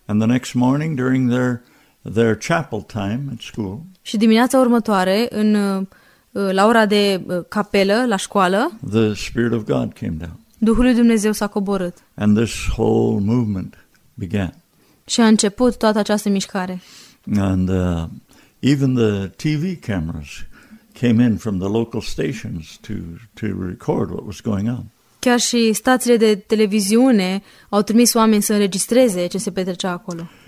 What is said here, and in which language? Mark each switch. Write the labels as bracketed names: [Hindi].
[English] And the next morning during their chapel time at school. [Romanian] Și dimineața următoare în la ora de capelă la școală. [English] The Spirit of God came down. [Romanian] Duhul lui Dumnezeu s-a coborât. [English] And this whole movement began. [Romanian] Și a început toată această mișcare. [English] And even the TV cameras came in from the local stations to record what was going on. [Romanian] Chiar și stațiile de televiziune au trimis oameni să înregistreze ce se petrecea acolo.